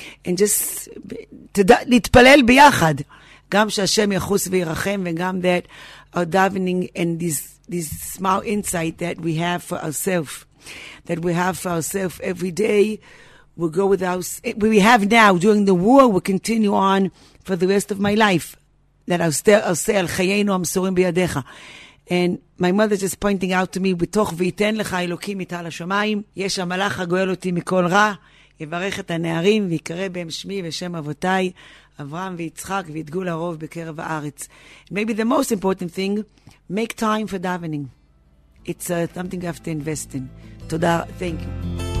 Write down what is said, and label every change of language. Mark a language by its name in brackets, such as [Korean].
[English] And just [Hebrew] להתפלל ביחד. גם שהשם יחוס וירחם, [English] וגם that our davening and this small insight that we have for ourselves, that we have for ourselves every day, we'll go with us. We have now, during the war, we'll continue on for the rest of my life. that I'll say [Hebrew] al chayenu amsurim biyadecha. [English] And my mother just pointing out to me, [Hebrew] בתוך ויתן לך אלוקים מטל השמיים, יש המלאך הגואל אותי מכל רע, יברך את הנערים ויקרא בהם שמי ושם אבותיי, אברהם ויצחק וידגו לרוב בקרב הארץ. [English] Maybe the most important thing, make time for davening. It's something you have to invest in. [Hebrew] תודה, [English] thank you.